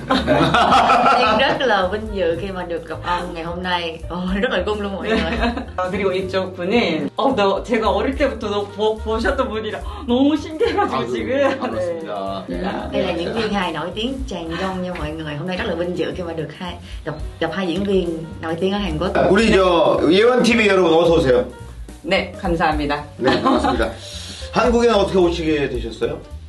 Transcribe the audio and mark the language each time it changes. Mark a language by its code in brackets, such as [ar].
[vi] Nhưng rất là vinh dự khi mà được gặp ông ngày hôm nay. Rất là cung luôn mọi người. [ko] 그리고 이쪽 분은 나 제가 어릴 때부터 보셨던 분이라 너무 신기해가지고 지금. 네. [vi] Đây là diễn viên hài nổi tiếng tràn dông nha mọi người. Hôm nay rất là vinh dự khi mà được gặp hai diễn viên nổi tiếng ở Hàn Quốc. [ko] 우리 저 예원 TV 여러분 어서 오세요. 네, 감사합니다. 네, 반갑습니다. 한국에 어떻게 오시게 되셨어요?